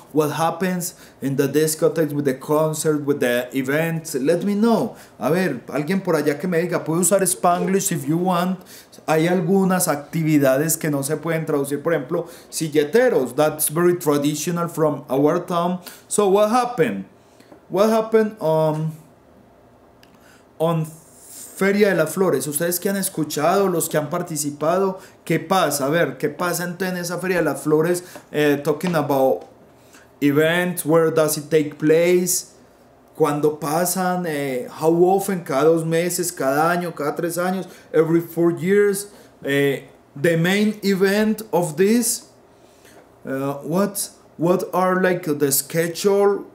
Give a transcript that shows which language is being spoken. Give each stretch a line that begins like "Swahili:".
English: What happens in the discotheques with the concert, with the events? Let me know.
Spanish: A ver, alguien por allá que me diga. Puedo usar Spanglish
English: if you want.
Spanish: Hay algunas actividades que no se pueden traducir. Por ejemplo,
English: silleteros. That's very traditional from our town. So what happened? What happened on Feria de las Flores?
Spanish: ¿Ustedes que han escuchado? ¿Los que han participado? ¿Qué pasa? A ver, ¿qué pasa entonces en esa Feria de las Flores?
English: Talking about events, where does it take place?
Spanish: ¿Cuándo pasan?
English: How often?
Spanish: ¿Cada 2 meses? ¿Cada año? ¿Cada 3 años?
English: Every 4 years? The main event of this? What are like the schedule?